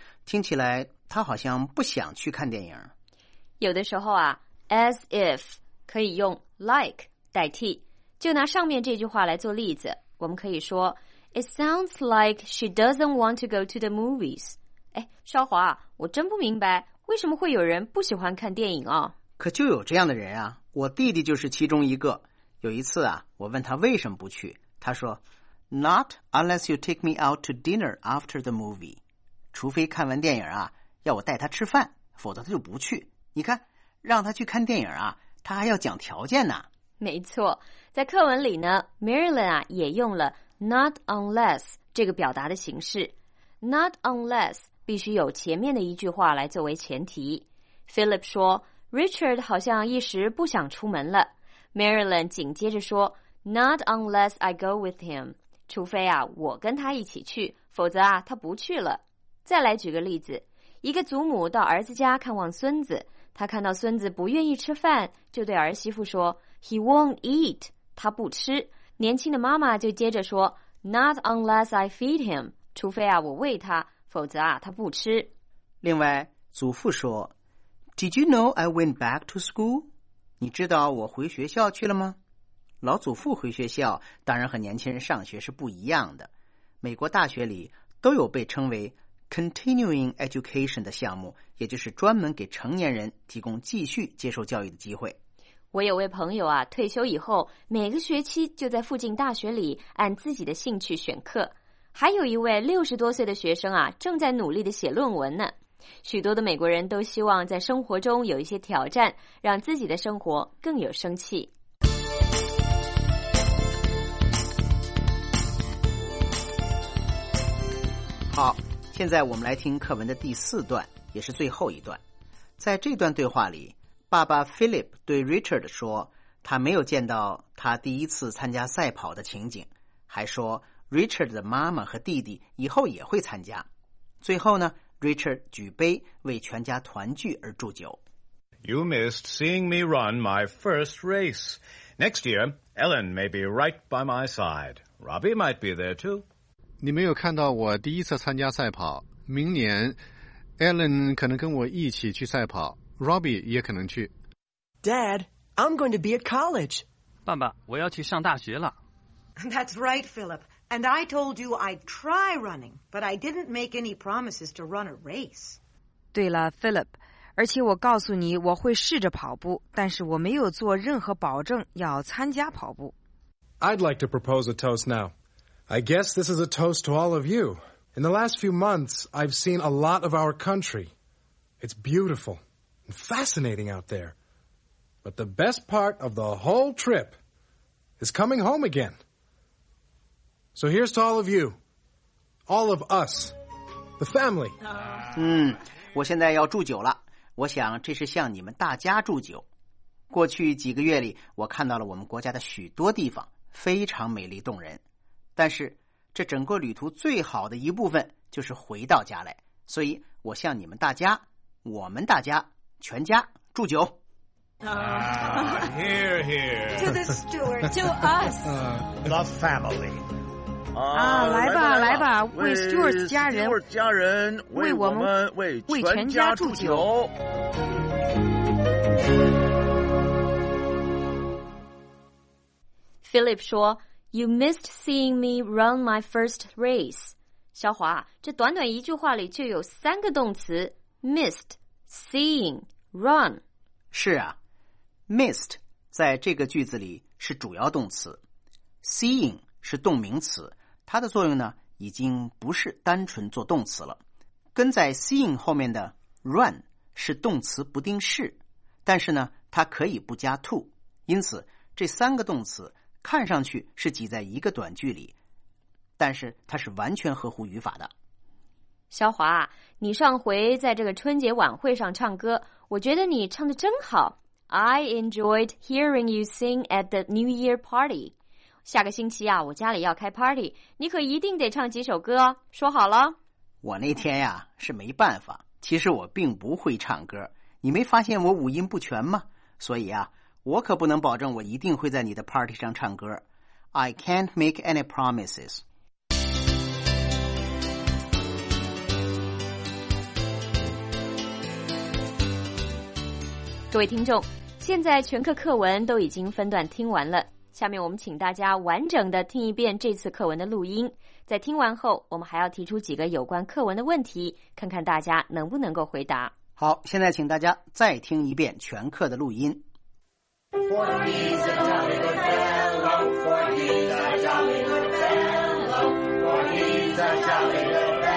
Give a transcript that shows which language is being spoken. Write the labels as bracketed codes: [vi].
[zh] 听起来她好像不想去看电影。有的时候啊 as if 可以用 like 代替，就拿上面这句话来做例子，我们可以说 [en] It sounds like she doesn't want to go to the movies. [zh] 哎，肖华，我真不明白为什么会有人不喜欢看电影啊？可就有这样的人啊，我弟弟就是其中一个。有一次啊，我问他为什么不去，他说 , [en] Not unless you take me out to dinner after the movie. [zh] 除非看完电影啊，要我带他吃饭，否则他就不去。你看，让他去看电影啊，他还要讲条件呢。没错，在课文里呢 ,Marilyn 啊也用了Not unless 这个表达的形式 ，Not unless 必须有前面的一句话来作为前提。 Philip 说 ,Richard 好像一时不想出门了。 Marilyn 紧接着说 , [en] Not unless I go with him, [zh] 除非啊我跟他一起去，否则啊他不去了。再来举个例子，一个祖母到儿子家看望孙子，他看到孙子不愿意吃饭，就对儿媳妇说 , [en] He won't eat, [zh] 他不吃。年轻的妈妈就接着说 , [en] Not unless I feed him, [zh] 除非啊我喂他，否则啊他不吃。另外祖父说 [en] ,Did you know I went back to school? [zh] 你知道我回学校去了吗？老祖父回学校当然和年轻人上学是不一样的。美国大学里都有被称为 continuing education 的项目，也就是专门给成年人提供继续接受教育的机会。我有位朋友啊，退休以后每个学期就在附近大学里按自己的兴趣选课。还有一位60多岁的学生啊，正在努力地写论文呢。许多的美国人都希望在生活中有一些挑战，让自己的生活更有生气。好，现在我们来听课文的第四段，也是最后一段。在这段对话里，爸爸 Philip 对 Richard 说，他没有见到他第一次参加赛跑的情景，还说 Richard 的妈妈和弟弟以后也会参加。最后呢，Richard 举杯为全家团聚而祝酒。 [en] You missed seeing me run my first race. Next year, Ellen may be right by my side. Robbie might be there too. [zh] 你没有看到我第一次参加赛跑，明年 Ellen 可能跟我一起去赛跑， Robbie 也可能去。 [en] Dad, I'm going to be at college. [zh] 爸爸，我要去上大学了。 [en] That's right, Philip. And I told you I'd try running, but I didn't make any promises to run a race. [zh] 对了 ,Philip, 而且我告诉你我会试着跑步，但是我没有做任何保证要参加跑步。 [en] I'd like to propose a toast now. I guess this is a toast to all of you. In the last few months, I've seen a lot of our country. It's beautiful and fascinating out there. But the best part of the whole trip is coming home again. So here's to all of you, all of us, the family. [zh] 我现在要祝酒了。我想这是向你们大家祝酒。过去几个月里，我看到了我们国家的许多地方，非常美丽动人。但是，这整个旅途最好的一部分就是回到家来。所以，我向你们大家，我们大家，全家祝酒。 [en] Here, here. To the steward, to us. The family. [zh] 来吧来吧，为 Stewart 家人，为 Stewart 家人，为我们，为全家祝酒。 [en] Philip [zh] 说 [en] ,You missed seeing me run my first race. [zh] 小华，这短短一句话里就有三个动词 ,missed, seeing, run。是啊 ,missed 在这个句子里是主要动词 ,seeing 是动名词。它的作用呢，已经不是单纯做动词了。跟在 seeing 后面的 run 是动词不定式，但是呢，它可以不加 to。因此，这三个动词看上去是挤在一个短句里，但是它是完全合乎语法的。小华，你上回在这个春节晚会上唱歌，我觉得你唱得真好。 [en] I enjoyed hearing you sing at the New Year party. [zh] 下个星期啊，我家里要开 party， 你可一定得唱几首歌，说好了。我那天呀是没办法，其实我并不会唱歌，你没发现我五音不全吗？所以啊，我可不能保证我一定会在你的 party 上唱歌。 [en] I can't make any promises。 [zh] 各位听众，现在全课课文都已经分段听完了。下面我们请大家完整的听一遍这次课文的录音，在听完后我们还要提出几个有关课文的问题，看看大家能不能够回答。好，现在请大家再听一遍全课的录音。 [en] For he's a jolly good fellow, For he's a jolly good fellow, For he's a jolly good fellow.